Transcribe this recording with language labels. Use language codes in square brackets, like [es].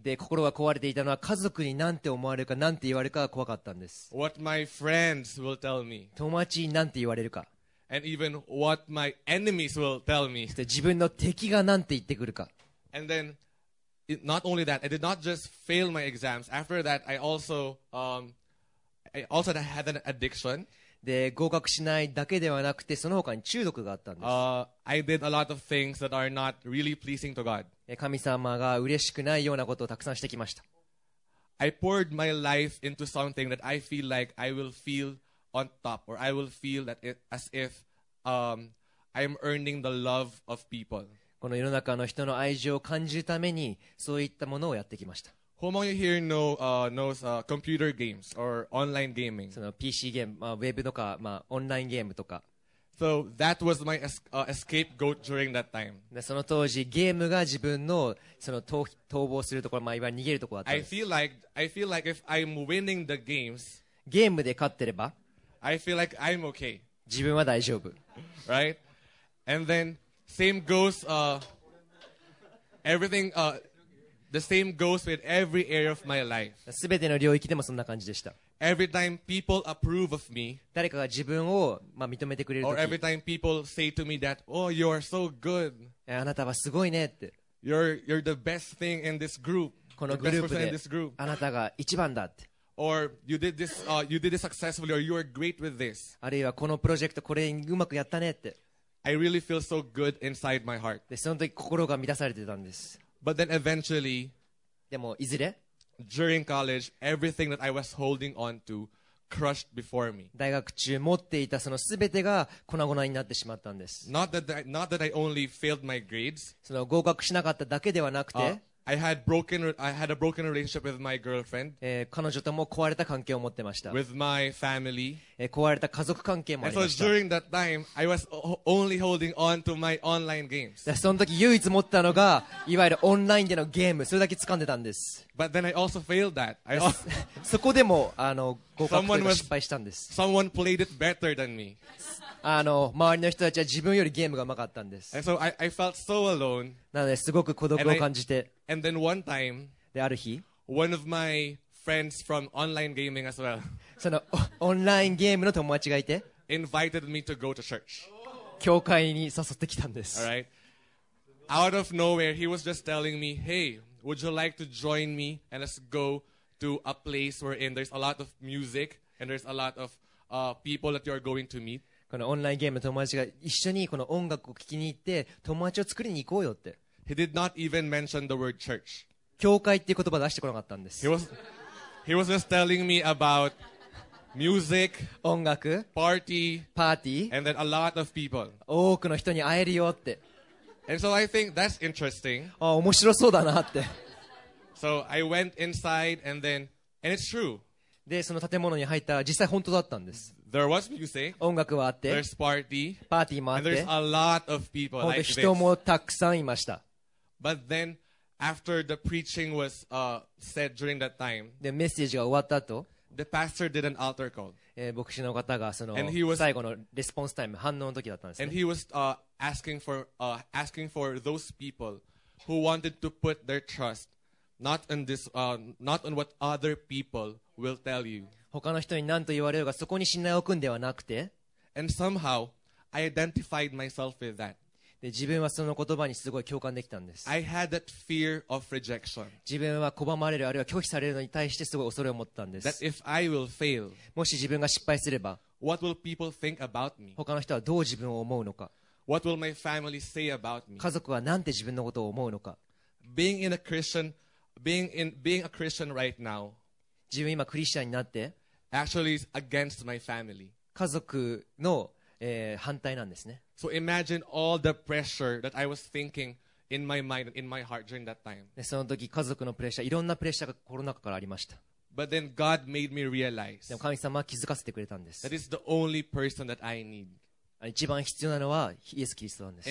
[ja] で、心が壊れていたのは家族に何て思われるか、何て言われるかが怖かったんです。 [en] What my friends will tell me. [ja] 友達に何て言われるか。 [en] And even what my enemies will tell me. [ja] で、自分の敵が何て言ってくるか。 [en] And then,Not only that, I did not just fail my exams. After that, I also had an addiction. [ja] で、合格しないだけではなくて、その他に中毒があったんです。 [en] I did a lot of things that are not really pleasing to God. [ja] 神様が嬉しくないようなことをたくさんしてきました。 [en] I poured my life into something that I feel like I will feel on top, or I will feel that it, as if I'm earning the love of people. [ja] この世の中の人の愛情を感じるためにそういったものをやってきました。 [en] How many here know, knows, computer games or online gaming? [ja] その PC ゲーム、まあ、ウェブとか、まあ、オンラインゲームとか。 [en] So that was my escape goat during that time. [ja] でその当時、ゲームが自分の、その逃亡するところ、まあ、いわゆる逃げるところだったんです。 [en] I feel like if I'm winning the games, [ja] ゲームで勝ってれば、 [en] I feel like I'm okay. [ja] 自分は大丈夫。 [en] Right? And then,Same goes, everything, the same goes with every area of my life. [ja] 全ての領域でもそんな感じでした。 [en] Every time people approve of me, [ja] 誰かが自分を、まあ、認めてくれる時、 [en] or every time people say to me that, oh, you are so good. [ja] あなたはすごいねって。 [en] You're the best thing in this group. [ja] このグループで、あなたが一番だって。 [en] Or you did this successfully, or you are great with this. [ja] あるいはこのプロジェクト、これうまくやったねって。 [en] I really feel so good inside my heart. [ja] で、その時心が満たされてたんです。 [en] But then eventually, [ja] でもいずれ [en] during college, everything that I was holding on to crushed before me. [ja] 大学中持っていたその全てが粉々になってしまったんです。 [en] Not that I only failed my grades. [ja] その合格しなかっただけではなくて、 [en] I had a broken relationship with my girlfriend. [ja] 彼女とも壊れた関係を持ってました。 [en] With my family. [ja] 壊れた家族関係もありました。 [en] And so during that time, I was only holding on to my online games. [ja] その時唯一持ったのが、いわゆるオンラインでのゲーム、それだけ掴んでたんです。 [en] But then I also failed that. [ja] そこでも、合格というか失敗したんです。 [en] Someone played it better than me. [ja] 周りの人たちは自分よりゲームが上手かったんです。 [en] And so I felt so alone. [ja] なので、すごく孤独を感じて。 [en] And then one time, [ja] である日、 [en] one of my friends from online gaming as well, [ja] そのオンラインゲームの友達がいて、 [en] invited me to go to church. [ja] 教会に誘ってきたんです。 [en] All right. Out of nowhere, he was just telling me, hey, would you like to join me and let's go to a place wherein there's a lot of music and there's a lot of people that you're going to meet. [ja] このオンラインゲームの友達が一緒にこの音楽を聴きに行って、友達を作りに行こうよって。 [en] He did not even mention the word church. [ja] 教会っていう言葉出してこなかったんです。 [en] He was just telling me about music, [ja] 音楽、 [en] party, and then a lot of people. [ja] 多くの人に会えるよって。 [en] And so I think that's interesting. [ja] あ、面白そうだなって。 [en] So I went inside and it's true. [ja] で、その建物に入ったら実際本当だったんです。 [en] There was music. [ja] 音楽はあって。 [en] There's party. [ja] パーティーもあって。 [en] And there's a lot of people like this. [ja] 人もたくさんいました。 [en] But then, after the preaching was said during that time, [ja] でメッセージが終わった後、 [en] the pastor did an altar call. [ja] 牧師の方がその最後のレスポンスタイム、反応の時だったんですね。 [en] And he was asking for those people who wanted to put their trust not in this, not on what other people will tell you. [ja] 他の人に何と言われるか、そこに信頼を置くんではなくて、 [en] and somehow I identified myself with that. [ja] で自分はその言葉にすごい共感できたんです。 [en] I had that fear of rejection. [ja] 自分は拒まれる、あるいは拒否されるのに対してすごい恐れを持ったんです。 [en] That if I will fail, [ja] もし自分が失敗すれば、 [en] what will people think about me? [ja] 他の人はどう自分を思うのか、 [en] what will my family say about me? [ja] 家族はなんて自分のことを思うのか。 [en] Being a Christian right now, [ja] 自分今クリスチャンになって、 [en] actually is against my family. [ja] 家族の、反対なんですね。 [en] So imagine all the pressure that I was thinking in my mind, in my heart during that time. [ja] その時家族のプレッシャー、いろんなプレッシャーが心の中からありました。 [en] But then God made me realize. [ja] でも神様は気づかせてくれたんです。 [en] That is the only person that I need. [ja] 一番必要なのはイエス・キリストなんです。